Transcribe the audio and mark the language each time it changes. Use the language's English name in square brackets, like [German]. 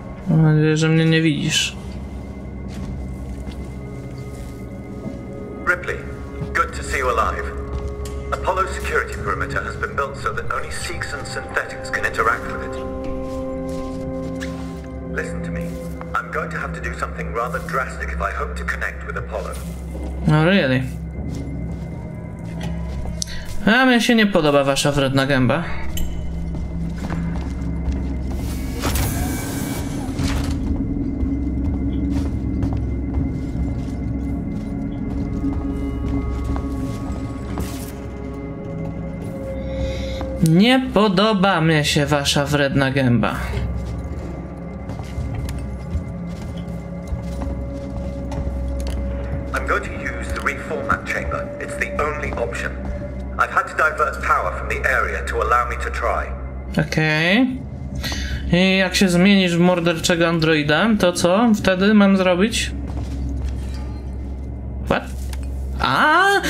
[Polish] Mam nadzieję, że mnie nie widzisz. [English] Ripley, good to see you alive. Apollo security perimeter has been built so that only Sikhs and synthetics can interact with it. Listen to me. I'm going to have to do something rather drastic if I hope to connect with Apollo. No, really? [Polish] A mnie się nie podoba wasza wredna gęba. Nie podoba mnie się wasza wredna gęba. [English] I'm going to use the reformat chamber. It's the only option. I've had to divert power from the area to allow me to try. [Polish] Okej. I jak się zmienisz w morderczego androida, to co wtedy mam zrobić? [English] What? A!